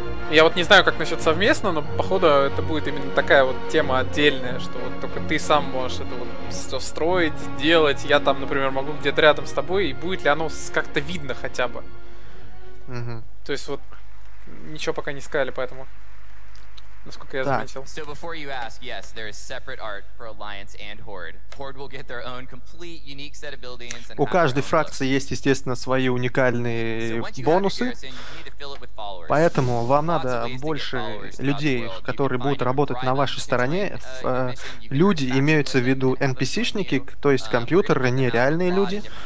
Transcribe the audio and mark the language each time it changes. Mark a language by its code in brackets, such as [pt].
[ru] Я вот не знаю, как насчет совместно, но походу это будет именно такая вот тема отдельная, что вот только ты сам можешь это вот все строить, делать. Я там, например, могу где-то рядом с тобой, и будет ли оно как-то видно хотя бы. Угу. То есть вот ничего пока не сказали, поэтому, насколько я заметил. [en] So before you ask, yes, there is separate art for Alliance and Horde. Horde will get their own complete unique set of buildings and... [ru] У каждой фракции есть, естественно, свои уникальные бонусы. Поэтому вам надо больше людей, которые будут работать на вашей стороне. Люди имеются в виду NPC-шники, то есть компьютеры, нереальные люди.